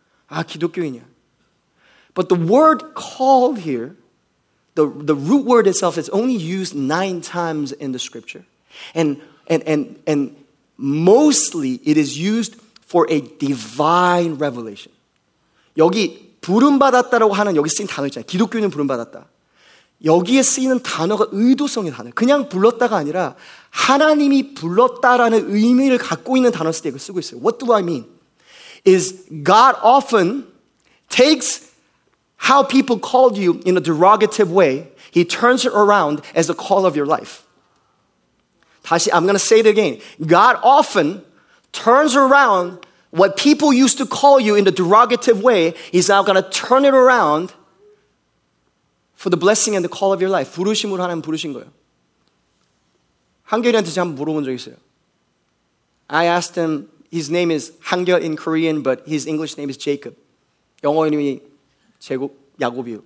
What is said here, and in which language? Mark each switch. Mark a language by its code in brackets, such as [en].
[ko] 아, 기독교인이야. [en] But the word called here, the root word itself is only used 9 times in the scripture. And mostly, it is used for a divine revelation. [ko] 여기 부름받았다라고 하는 여기 쓰인 단어 있잖아요. 기독교인은 부름받았다. 여기에 쓰이는 단어가 의도성의 단어예요. 그냥 불렀다가 아니라 하나님이 불렀다라는 의미를 갖고 있는 단어 쓰 이걸 쓰고 있어요. [en] What do I mean? Is God often takes how people called you in a derogative way. He turns it around as a call of your life. I'm going to say it again. God often turns around what people used to call you in a derogative way. He's now going to turn it around for the blessing and the call of your life. [ko] 부르심으로 하나님 부르신 거예요. 한결이한테 제가 한번 물어본 적 있어요. [en] I asked him, his name is 한결 in Korean, but his English name is Jacob. [ko] 영어 이름이 제곱, 야곱이요.